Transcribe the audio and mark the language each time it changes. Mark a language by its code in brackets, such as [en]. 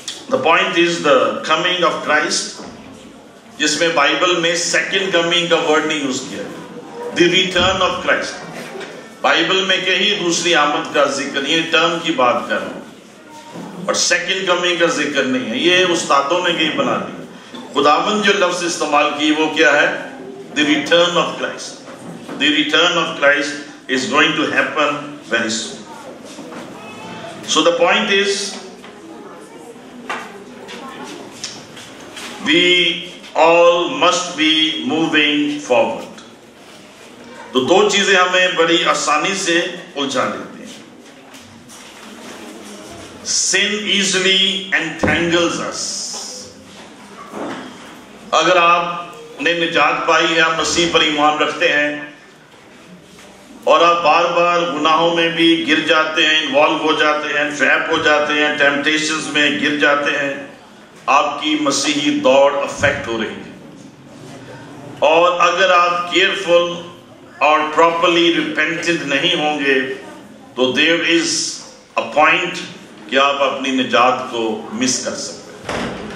[hi] The point is the coming of Christ जिसमें Bible में second coming का word नहीं यूज किया [en] the return of Christ [hi] Bible में कहीं दूसरी आमद का जिक्र नहीं टर्म की बात कर रहा हूं और सेकेंड कमिंग का जिक्र नहीं है ये उस्तादों ने कहीं बना दिया खुदावन जो लफ्ज इस्तेमाल किए वो क्या है the return of Christ [en] The return of Christ is going to happen very soon. So the point is, we all must be moving forward. [hi] तो दो चीजें हमें बड़ी आसानी से उलझा लेते हैं. [en] Sin easily entangles us. [hi] अगर आप ने निजात पाई है, मसीह पर ईमान रखते हैं. और आप बार बार गुनाहों में भी गिर जाते हैं इन्वॉल्व हो जाते हैं ट्रैप हो जाते हैं टेम्पटेशंस में गिर जाते हैं आपकी मसीही दौड़ अफेक्ट हो रही है और अगर आप केयरफुल और प्रॉपरली रिपेंटेड नहीं होंगे तो [en] there is a point [hi] कि आप अपनी निजात को मिस कर सकते हैं